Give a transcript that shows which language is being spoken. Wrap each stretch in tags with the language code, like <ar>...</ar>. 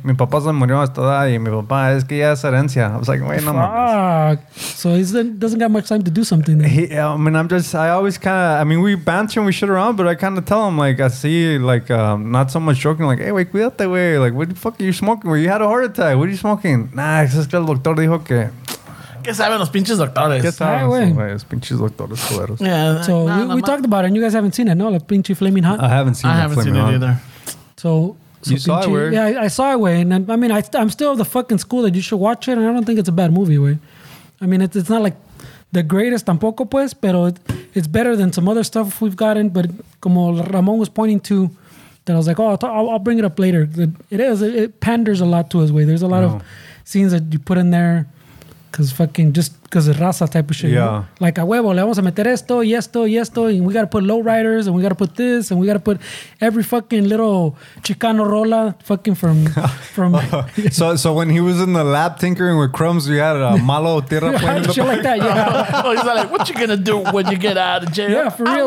<es>Mi papá se murió a esta edad y mi papá es que ya es herencia.</es> <en>I was like, wait, no mames. So he doesn't got much time to do something. We banter and we shit around, but I kind of tell him, like, I see, like, not so much joking, like, hey, wait,</en> <es>cuídate, güey.</es> <en>Like, what the fuck are you smoking? Where you had a heart attack. What are you smoking?</en> <es>Nah, es que el doctor dijo que... ¿Qué saben los pinches doctores? ¿Qué saben los pinches doctores culeros?</es> <en>Yeah, so nah, we talked about it and you guys haven't seen it, no?</en> <es>La pinche Flaming Hot?</es> <en>I haven't seen it either. So you saw it, Wei? Yeah, I saw it, Wei. And I mean, I'm still of the fucking school that you should watch it, and I don't think it's a bad movie, Wei. I mean, it's not like the greatest</en> <es>tampoco, pues, pero</es> <en>it's better than some other stuff we've gotten. But como Ramon was pointing to, that I was like, oh, I'll bring it up later. It panders a lot to us, Wei. There's a lot of scenes that you put in there. Because fucking just because of raza type of shit. Yeah.</en> <es>Like, a huevo, le vamos a meter esto y esto y esto.</es> <en>And we got to put lowriders and we got to put this and we got to put every fucking little Chicano rola fucking from. So when he was in the lab tinkering with crumbs, you had a malo tierra playing. Shit like that, yeah. He's like, what you going to do when you get out of jail? Yeah, for real.</en>